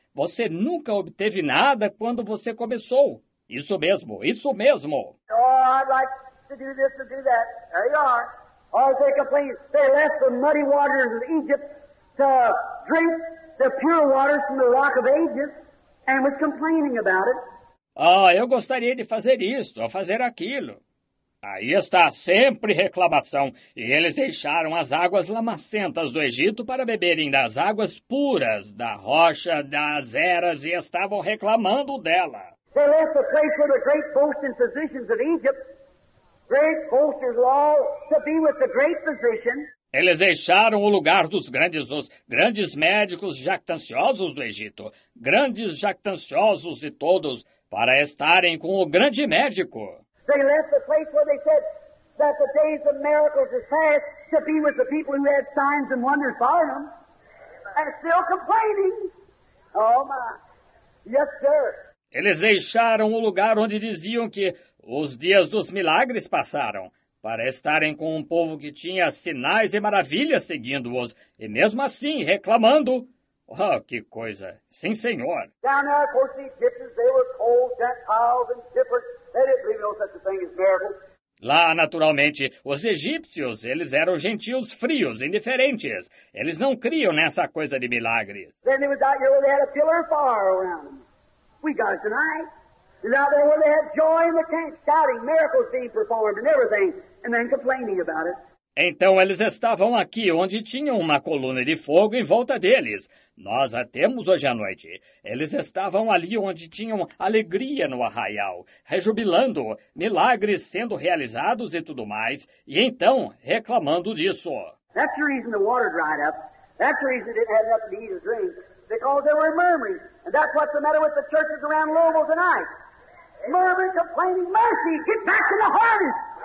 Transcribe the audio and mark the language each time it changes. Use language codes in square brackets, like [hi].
[pt] Você nunca obteve nada quando você começou. Isso mesmo, isso mesmo. [en] Oh, I'd like to do this and do that. There you are. Oh, they complain. They left the muddy waters of Egypt to drink the pure waters from the rock of ages and was complaining about it. [pt] Ah, eu gostaria de fazer isto ou fazer aquilo. Aí está sempre reclamação. E eles deixaram as águas lamacentas do Egito para beberem das águas puras da rocha das eras e estavam reclamando dela. [en] They left the place where the great boasting physicians of Egypt, great boasters of all, to be with the great physician. [pt] Eles deixaram o lugar dos grandes, os grandes médicos jactanciosos do Egito, grandes jactanciosos de todos, para estarem com o grande médico. [en] They left the place where they said that the days of miracles are past to be with the people who had signs and wonders by them, and still complaining. Oh my. Yes, sir. [pt] Eles deixaram o lugar onde diziam que os dias dos milagres passaram, para estarem com um povo que tinha sinais e maravilhas seguindo-os, e mesmo assim reclamando. Oh, que coisa! Sim, senhor. [en] Down there, of course, the Egyptians, they were cold, Gentiles, and different. They didn't believe no such a thing as miracles. [pt] Lá, naturalmente, os egípcios, eles eram gentios frios, indiferentes. Eles não criam nessa coisa de milagres. [en] Then they was out here where they had a pillar of fire around them. We got it tonight. And out there where they had joy in the camp, shouting, miracles being performed and everything, and then complaining about it. [pt] Então eles estavam aqui onde tinham uma coluna de fogo em volta deles. Nós a temos hoje à noite. Eles estavam ali onde tinham alegria no arraial, rejubilando, milagres sendo realizados e tudo mais, e então reclamando disso. [en] That's the reason the water dried up. That's the reason it didn't have enough to eat and drink. Because there were murmuring. And that's what's the matter with the churches around Louisville tonight. Murmuring, complaining, mercy, get back to the harvest.